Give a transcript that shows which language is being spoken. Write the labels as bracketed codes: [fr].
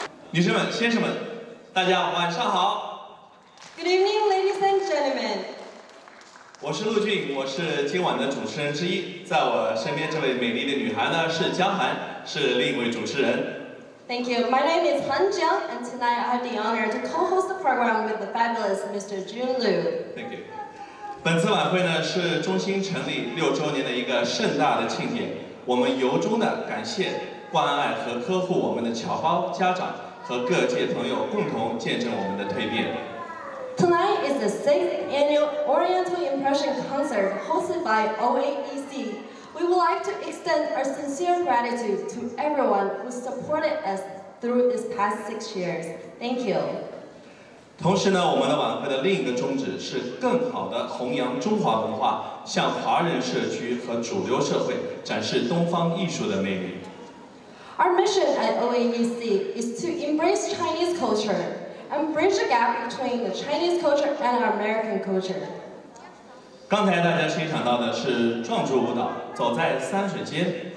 [zh] 女士们、先生们，大家晚上好。 [en] Good evening, ladies and gentlemen. [zh] 我是陆俊，我是今晚的主持人之一。在我身边这位美丽的女孩呢，是姜晗，是另一位主持人。 [en] Thank you. My name is Han Jiang, and tonight I have the honor to co-host the program with the fabulous Mr. Jun Lu. Thank you. [zh] 本次晚会呢，是中心成立六周年的一个盛大的庆典。我们由衷的感谢、关爱和呵护我们的侨胞、家长和各界朋友共同见证我们的蜕变。 [en] Tonight is the 6th annual Oriental Impression Concert hosted by Oaec. We would like to extend our sincere gratitude to everyone who supported us through these past 6 years. Thank you. [zh] 同时呢，我们的晚会的另一个宗旨是更好地弘扬中华文化，向华人社区和主流社会展示东方艺术的魅力。 [en] Our mission at Oaec is to embrace Chinese culture. And bridge the gap between the Chinese culture and our American culture. [zh] 刚才大家欣赏到的是壮族舞蹈《走在山水间》。